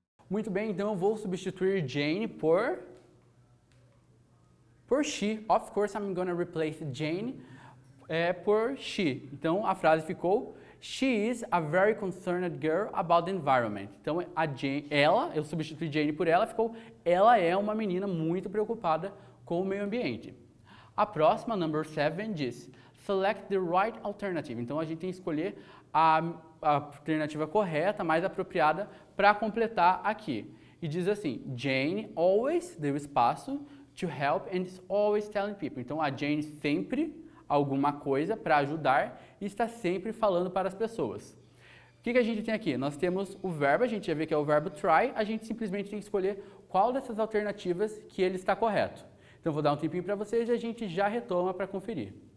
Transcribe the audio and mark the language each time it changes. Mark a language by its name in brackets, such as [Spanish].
[Portuguese] Muito bem, então eu vou substituir Jane por she. [English] Of course, I'm gonna replace Jane por she. [Portuguese] Então, a frase ficou, [English] she is a very concerned girl about the environment. [Portuguese] Então, a Jane, ela, eu substituí Jane por ela, ficou, ela é uma menina muito preocupada com o meio ambiente. A próxima, number 7, diz, [English] select the right alternative. [Portuguese] Então, a gente tem que escolher a alternativa correta, mais apropriada, para completar aqui. E diz assim, [English] Jane always, [Portuguese] deu espaço, [English] to help and is always telling people. [Portuguese] Então, a Jane sempre alguma coisa para ajudar e está sempre falando para as pessoas. O que a gente tem aqui? Nós temos o verbo, a gente já vê que é o verbo try, a gente simplesmente tem que escolher qual dessas alternativas que ele está correto. Então, vou dar um tempinho para vocês e a gente já retoma para conferir.